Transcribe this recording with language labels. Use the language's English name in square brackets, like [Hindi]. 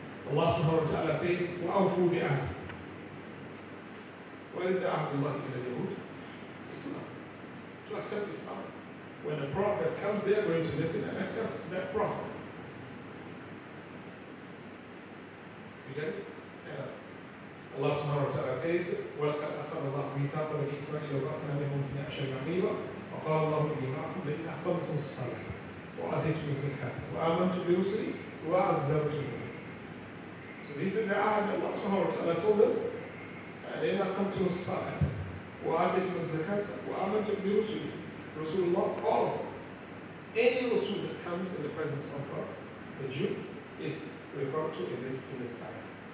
[English] Allah subhanahu wa ta'ala says, [Arabic] وَأَوْفُوا بِعَهْدِ. [English] What is the ahd Allah in the Yahud? Islam. To accept Islam. When a prophet comes, they are going to listen and accept that prophet. You get it? Yeah. Allah subhanahu wa ta'ala says, [Arabic] وَلَقَدْ أَخَذَ اللَّهُ مِيثَاقَ بَنِي إِسْرَائِيلَ وَبَعَثْنَا مِنْهُمْ اثْنَا عَشَرَ نَقِيبًا وَقَالَ اللَّهُ إِنِّي مَعَكُمْ لَئِنْ أَقَمْتُمُ الصَّلَاةَ وَآتَيْتُمُ الزَّكَاةَ وَآمَنْتُمْ بِرُسُلِي وَعَزَّرْتُمُونِي. [English] So this is the ahd Allah subhanahu wa ta'ala told them. [Arabic] لَئِنْ أَقَمْتُمُ الصَّلَاةَ وَآتَيْتُمُ الزَّكَاةَ وَآمَنْتُمْ بِرُسُلِي. [English] Rasulullah called. Any Rasul that comes in the presence of God, the Jew, is referred to in this ayah.